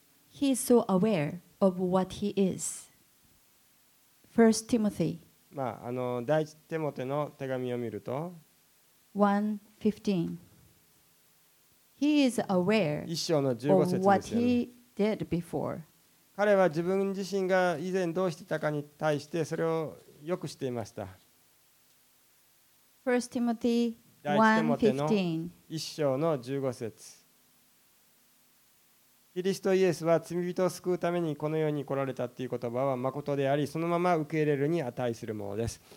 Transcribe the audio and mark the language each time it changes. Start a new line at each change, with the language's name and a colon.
English: He is so aware of what he is. 1 Timothy、
Japanese: まあ、第一テモテの手紙を見ると
English: 1:15 He is aware of what he did before.
Japanese: 彼は自分自身が以前どうしていたかに対してそれをよく知っていました。
English: 1 Timothy 1:15
Japanese: 1:15 キリストイエスは罪人を救うためにこの世に来られたという言葉は誠であり、そのまま受け入れるに値するものです。